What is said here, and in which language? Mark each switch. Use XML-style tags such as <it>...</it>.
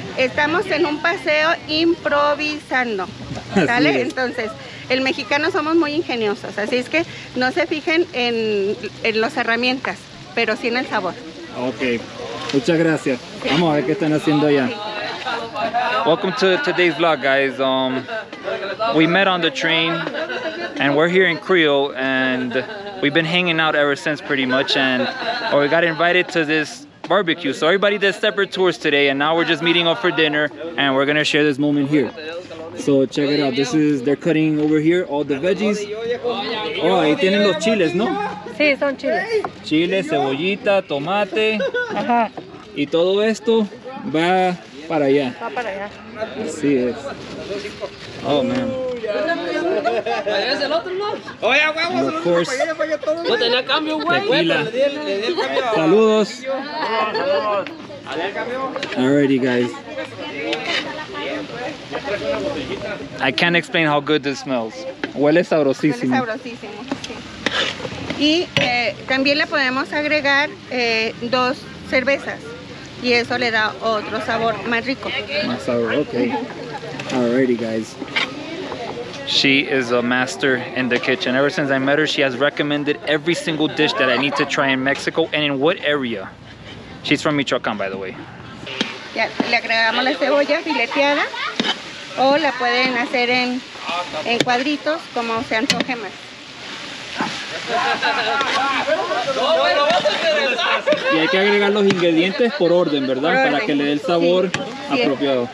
<es>Estamos en un paseo improvisando, ¿sale? Entonces, el mexicano somos muy ingeniosos, así es que no se fijen en las herramientas, pero sí en el sabor. Ok, muchas gracias. Sí. Vamos a ver qué están haciendo allá.</es> <en>Welcome to today's vlog, guys. We met on the train, and we're here in Creole, and we've been hanging out ever since pretty much, and we got invited to this barbecue. So everybody did separate tours today, and now we're just meeting up for dinner, and we're gonna share this moment here. So check it out. This is, they're cutting over here all the veggies.</en> <es>Oh, ahí tienen los chiles, ¿no? Sí, son chiles. Chile, cebollita, tomate. Ajá. Y todo esto va para allá. Va para allá. Así es.</es> <en>Oh, man. And of course, tequila. Saludos. Alrighty, guys. I can't explain how good this smells.</en> <es>Huele sabrosísimo. Huele sabrosísimo. Y también le podemos agregar dos cervezas. Y eso le da otro sabor más rico. Más sabor,</es> <en>okay. Alrighty, guys. She is a master in the kitchen. Ever since I met her, she has recommended every single dish that I need to try in Mexico and in what area. She's from Michoacán, by the way.</en> <es>Ya, le agregamos la cebolla fileteada o la pueden hacer en cuadritos como se antoje más. Y hay que agregar los ingredientes por orden, ¿verdad? Por orden. Para que le dé el sabor apropiado.</es>